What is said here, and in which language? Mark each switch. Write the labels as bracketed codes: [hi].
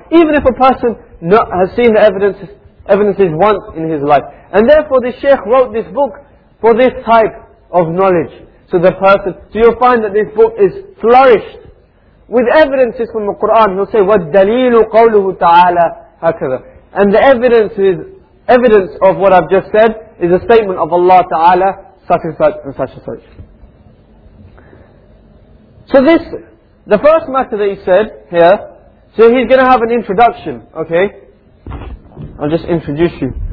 [en] Even if a person has seen the evidences once in his life. And therefore the Shaykh wrote this book for this type of knowledge. So you'll find that this book is flourished with evidences from the Quran. He'll say, [ar] وَالدَّلِيلُ قَوْلُهُ تَعَالَى هَكَذَا. [en] And the evidence of what I've just said is a statement of Allah Ta'ala, such and such and such and such. So this, the first matter that he said here, so he's going to have an introduction, okay? I'll just introduce you.